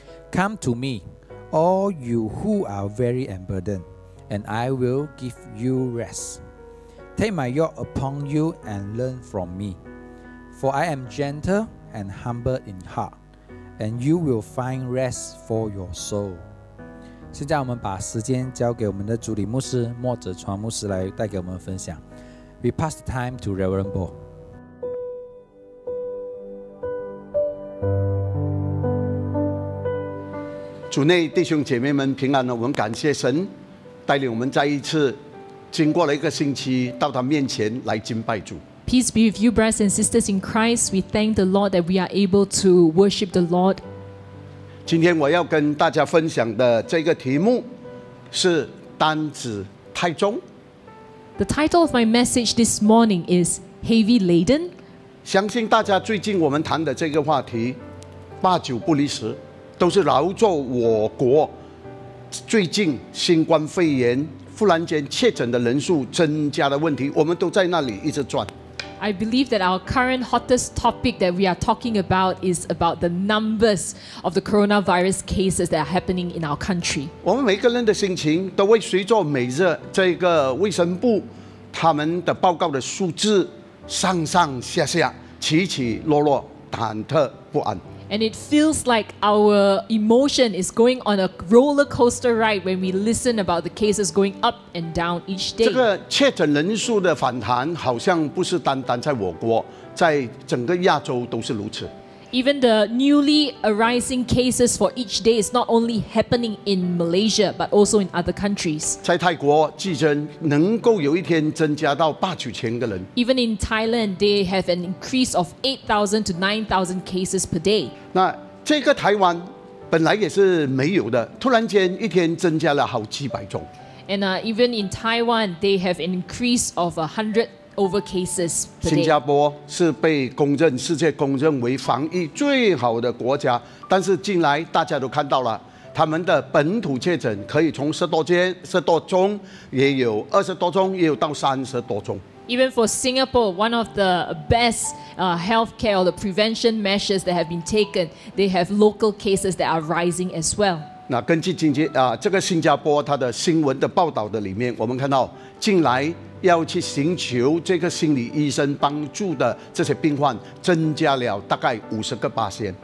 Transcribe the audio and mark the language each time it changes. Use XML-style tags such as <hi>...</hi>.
<en>Come to me, all you who are weary and burdened, and I will give you rest. Take my yoke upon you and learn from me, for I am gentle and humble in heart, and you will find rest for your soul.</en> <zh>现在我们把时间交给我们的主理牧师莫哲传牧师来带给我们分享。</zh> <en>We pass the time to Reverend Bo.</en> <zh>主内弟兄姐妹们平安，我们感谢神带领我们再一次经过了一个星期到他面前来敬拜主。</zh> <en>Peace be with you, brothers and sisters in Christ. We thank the Lord that we are able to worship the Lord.</en> <zh>今天我要跟大家分享的这个题目是担子太重。</zh> <en>The title of my message this morning is Heavy Laden.</en> <zh>相信大家最近我们谈的这个话题八九不离十，都是劳作我国最近新冠肺炎忽然间确诊的人数增加的问题，我们都在那里一直转。</zh> <en>I believe that our current hottest topic that we are talking about is about the numbers of the coronavirus cases that are happening in our country.</en> <zh>我们每个人的心情都会随着每日这个卫生部他们的报告的数字上上下下起起落落，忐忑不安。</zh> <en>And it feels like our emotion is going on a roller coaster ride when we listen about the cases going up and down each day.</en> <zh>这个确诊人数的反弹好像不是单单在我国，在整个亚洲都是如此。</zh> <en>Even the newly arising cases for each day is not only happening in Malaysia, but also in other countries.</en> <zh>在泰国季增能够有一天增加到八九千个人。</zh> <en>Even in Thailand, they have an increase of 8,000 to 9,000 cases per day.</en> <zh>那这个台湾本来也是没有的，突然间一天增加了好几百宗。</zh> <en>And even in Taiwan, they have an increase of 100over cases per day.</en> <zh>新加坡是被公认世界公认为防疫最好的国家，但是近来大家都看到了他们的本土确诊可以从十多宗也有20多宗也有到30多宗。</zh> <en>Even for Singapore, one of the best healthcare or the prevention measures that have been taken, they have local cases that are rising as well.</en> <zh>那根据经济啊，这个新加坡它的新闻的报道的里面，我们看到近来要去寻求这个心理医生帮助的这些病患增加了大概50%。</zh>